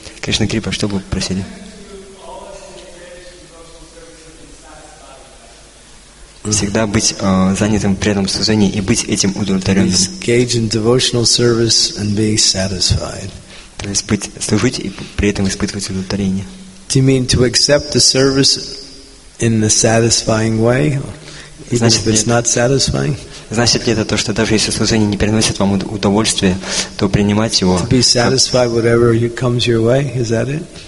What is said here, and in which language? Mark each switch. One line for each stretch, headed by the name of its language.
Russian: Krishna Kripa, что бы просили? Всегда быть занятым в преданном служении и быть этим удовлетворенным.
English: Engage in devotional service and be satisfied.
Russian: То есть быть служить и при этом испытывать удовлетворение.
English: Do you mean to accept the service in the satisfying way, even
Russian: значит,
English: if it's not satisfying?
Russian: Значит ли это то, что даже если служение не приносит вам удовольствия, то принимать его?
English: To be satisfied whatever comes your way, is that it?